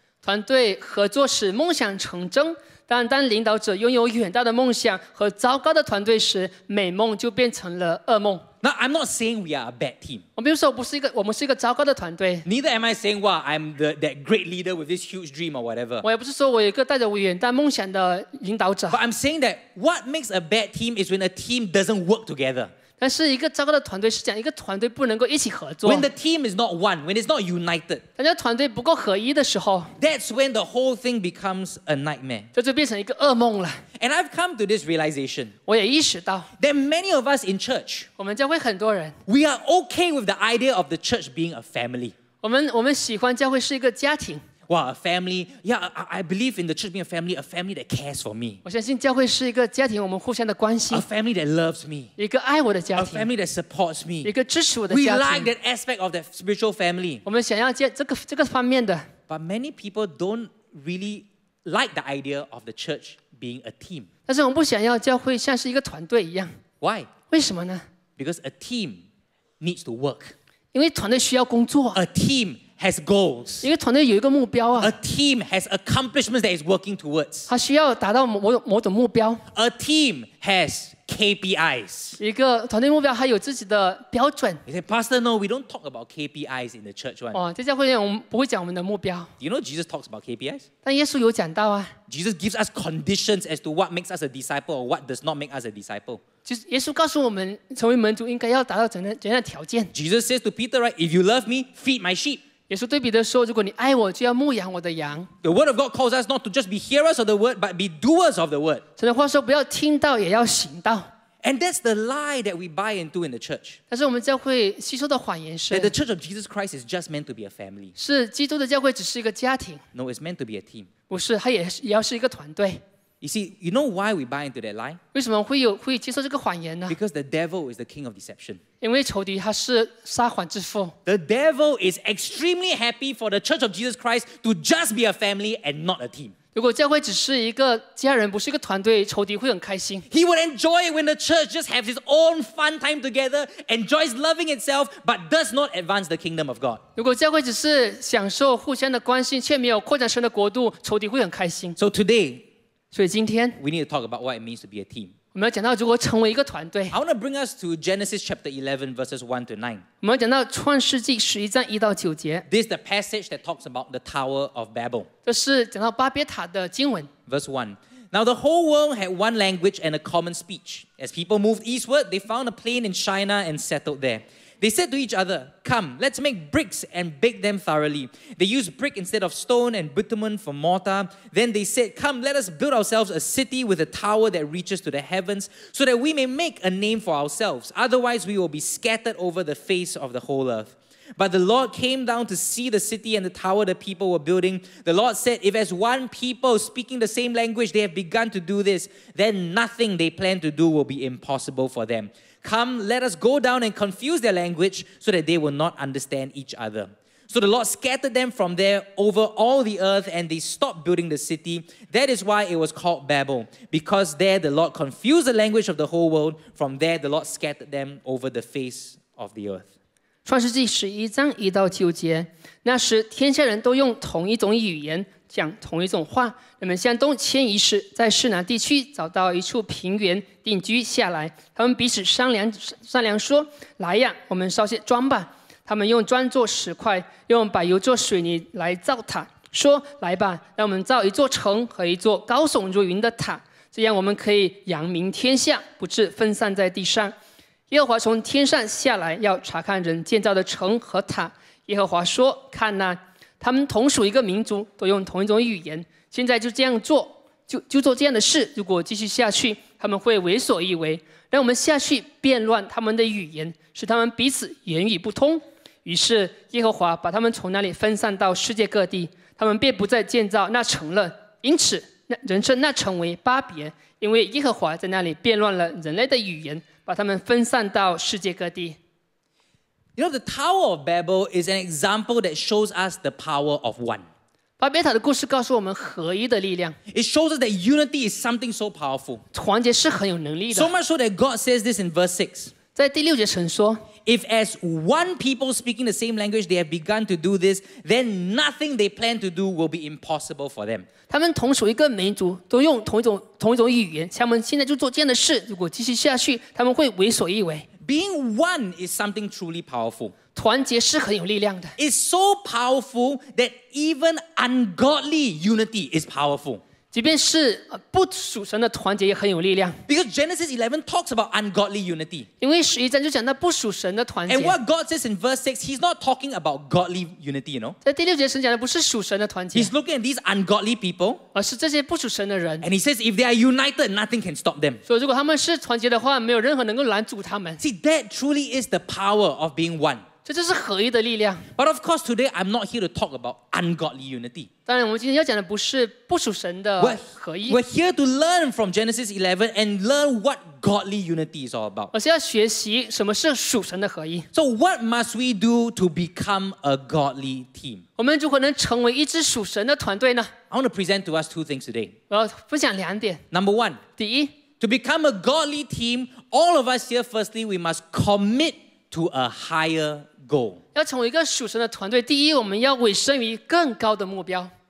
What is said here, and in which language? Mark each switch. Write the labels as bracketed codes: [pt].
[zh] 团队合作使梦想成真。但当领导者拥有远大的梦想和糟糕的团队时，美梦就变成了噩梦。 [en] Now I'm not saying we are a bad team. [zh] 我没有说我不是一个，我们是一个糟糕的团队。 [en] Neither am I saying, "Wow, I'm that great leader with this huge dream or whatever." [zh] 我也不是说我有一个带着远大梦想的领导者。 [en] But I'm saying that what makes a bad team is when a team doesn't work together. [zh] 但是一个糟糕的团队是讲一个团队不能够一起合作。 [en] When the team is not one, when it's not united. [zh] 当这团队不够合一的时候 [en] ，That's when the whole thing becomes a nightmare. [zh] 这就变成一个噩梦了。 [en] And I've come to this realization. [zh] 我也意识到 [en] that many of us in church, [zh] 我们教会很多人 [en] we are okay with the idea of the church being a family. [zh] 我们喜欢教会是一个家庭。 [en] Wow, a family. Yeah, I believe in the church being a family that cares for me. [zh] 我相信教会是一个家庭，我们互相的关心。 [en] A family that loves me. [zh] 一个爱我的家庭。 [en] A family that supports me. [zh] 一个支持我的家庭。 [en] We like that aspect of the spiritual family. [zh] 我们想要这个方面的。 [en] But many people don't really like the idea of the church. Being a team. [zh] 但是我们不想要教会像是一个团队一样。 [en] Why? [zh] 为什么呢？ [en] Because a team needs to work. [zh] 因为团队需要工作。 [en] A team has goals. [zh] 因为团队有一个目标啊。 [en] A team has accomplishments that it's working towards. [zh] 它需要达到某种目标。 [en] A team has KPIs. [zh] 一个团队目标它有自己的标准。 [en] You say, Pastor, no, we don't talk about KPIs in the church. [zh] 在教会里我们不会讲我们的目标。 [en] You know Jesus talks about KPIs? [zh] 但耶稣有讲到啊。 [en] Jesus gives us conditions as to what makes us a disciple or what does not make us a disciple. [zh] 就是耶稣告诉我们成为门徒应该要达到怎样的条件。 [en] Jesus says to Peter, right, if you love me, feed my sheep. [zh] 耶稣对彼得说如果你爱我就要牧养我的羊。 [en] The word of God calls us not to just be hearers of the word, but be doers of the word. [zh] 神的话说不要听到也要行道。 [en] And that's the lie that we buy into in the church. [zh] 但是我们教会吸收的谎言是 [en] that the church of Jesus Christ is just meant to be a family. [zh] 是基督的教会只是一个家庭。 [en] No, it's meant to be a team. [zh] 不是，它也要是一个团队。 [en] You see, you know why we buy into that lie? [zh] 为什么会接受这个谎言呢？ [en] Because the devil is the king of deception. [zh] 因为仇敌他是撒谎之父。 [en] The devil is extremely happy for the church of Jesus Christ to just be a family and not a team. [zh] 如果教会只是一个家人，不是一个团队，仇敌会很开心。 [en] He would enjoy it when the church just has its own fun time together, enjoys loving itself, but does not advance the kingdom of God. [zh] 如果教会只是享受互相的关心，却没有扩展神的国度，仇敌会很开心。 [en] So today. [zh] 所以今天 [en] we need to talk about what it means to be a team. [zh] 我们要讲到如何成为一个团队。 [en] I want to bring us to Genesis chapter 11 verses 1 to 9. [zh] 我们要讲到创世纪十一章一到九节。 [en] This is the passage that talks about the Tower of Babel. [zh] 这是讲到巴别塔的经文。 [en] Verse 1. Now the whole world had one language and a common speech. As people moved eastward, they found a plain in Shinar and settled there. They said to each other, "Come, let's make bricks and bake them thoroughly." They used brick instead of stone and bitumen for mortar. Then they said, "Come, let us build ourselves a city with a tower that reaches to the heavens so that we may make a name for ourselves. Otherwise, we will be scattered over the face of the whole earth." But the Lord came down to see the city and the tower the people were building. The Lord said, "If as one people speaking the same language they have begun to do this, then nothing they plan to do will be impossible for them." Come, let us go down and confuse their language so that they will not understand each other. So the Lord scattered them from there over all the earth and they stopped building the city. That is why it was called Babel, because there the Lord confused the language of the whole world. From there the Lord scattered them over the face of the earth. [zh] 创世纪十一章一到九节，那时天下人都用同一种语言讲同一种话，人们向东迁移时，在示拿地区找到一处平原定居下来。他们彼此商量说：“来呀，我们烧些砖吧。” 他们用砖做石块，用柏油做水泥来造塔，说：“来吧，让我们造一座城和一座高耸入云的塔，这样我们可以扬名天下，不致分散在地上。” 耶和华从天上下来，要查看人建造的城和塔。耶和华说：“看哪，他们同属一个民族，都用同一种语言。现在就这样做，就做这样的事。如果继续下去，他们会为所欲为。让我们下去变乱他们的语言，使他们彼此言语不通。” 于是耶和华把他们从那里分散到世界各地，他们便不再建造那城了。因此，人称那城为巴别，因为耶和华在那里变乱了人类的语言，把他们分散到世界各地。 [en] You know, the Tower of Babel is an example that shows us the power of one. [zh] 巴别塔的故事告诉我们合一的力量。 [en] It shows us that unity is something so powerful. [zh] 团结是很有能力的。 [en] So much so that God says this in verse 6. [zh] 在第六节神说， [en] If as one people speaking the same language they have begun to do this, then nothing they plan to do will be impossible for them. [zh] 他们同属一个民族，都用同一种语言，他们现在就做这样的事，如果继续下去，他们会为所欲为。 [en] Being one is something truly powerful. [zh] 团结是很有力量的。 [en] It's so powerful that even ungodly unity is powerful. [zh] 即便是不属神的团结也很有力量。 [en] Because Genesis 11 talks about ungodly unity. [zh] 因为十一章就讲到不属神的团结。 [en] And what God says in verse 6, he's not talking about godly unity, you know? [zh] 在第六节神讲的不是属神的团结。 [en] He's looking at these ungodly people. [zh] 而是这些不属神的人。 [en] And he says if they are united, nothing can stop them. [zh] 所以如果他们是团结的话，没有任何能够拦阻他们。 [en] See, that truly is the power of being one. [zh] 这就是合一的力量。 [en] But of course, today I'm not here to talk about ungodly unity. [zh] 当然，我们今天要讲的不是不属神的合一。 [en] We're here to learn from Genesis 11 and learn what godly unity is all about. [zh] 而是要学习什么是属神的合一。 [en] So what must we do to become a godly team? [zh] 我们如何能成为一支属神的团队呢？ [en] I want to present to us two things today. [zh] 我要分享两点。 [en] Number one. [zh] 第一。 [en] To become a godly team, all of us here, firstly, we must commit. To a higher goal. [zh] 要成为一个属神的团队，第一，我们要委身于更高的目标。